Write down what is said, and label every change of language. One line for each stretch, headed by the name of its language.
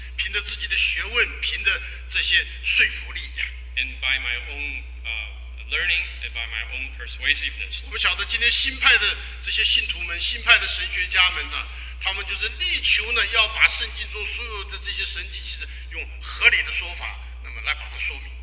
Chinese: 凭着自己的学问，凭着这些说服力。
English: And by my own learning and by my own persuasiveness.
Chinese: 我们晓得今天新派的这些信徒们，新派的神学家们呢，他们就是力求呢要把圣经中所有的这些神迹其实用合理的说法那么来把它说明。